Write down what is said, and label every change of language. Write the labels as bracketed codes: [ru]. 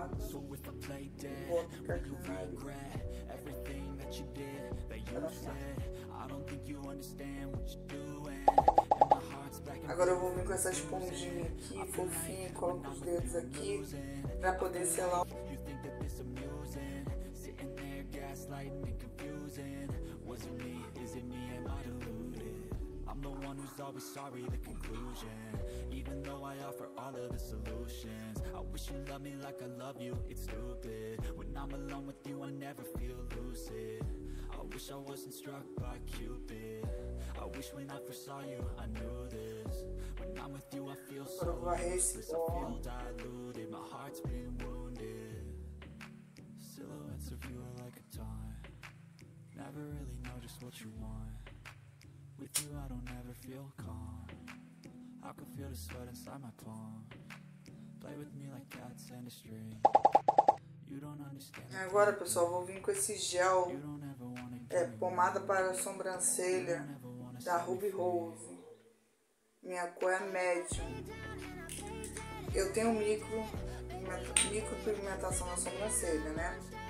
[en] So with the play dead, you regret everything that you did, that you said. I don't think you understand what you're doing. And my heart's back. [pt] Agora eu vou vir com essa esponjinha aqui, fofinha, coloco os dedos aqui pra poder selar. [en] You think that this amusing? Sitting there gaslighting and confusing. Was it me? Is it me? Am I deluded? I'm the one who's always sorry, the conclusion. Even though I offer all of the solutions. I wish you loved me like I love you, it's stupid. When I'm alone with you, I never feel lucid. I wish I wasn't struck by Cupid. I wish when I first saw you, I knew this. When I'm with you, I feel so useless. I feel diluted, my heart's been wounded. Silhouettes of you are like a time. Never really know just what you want. With you, I don't ever feel calm. I can feel the sweat inside my palm. Play with me like cats and a string. You don't understand. [pt] Agora, pessoal, vou vir com esse gel. É pomada para a sobrancelha da Ruby Rose. Minha cor é médio. Eu tenho micropigmentação na sobrancelha, né?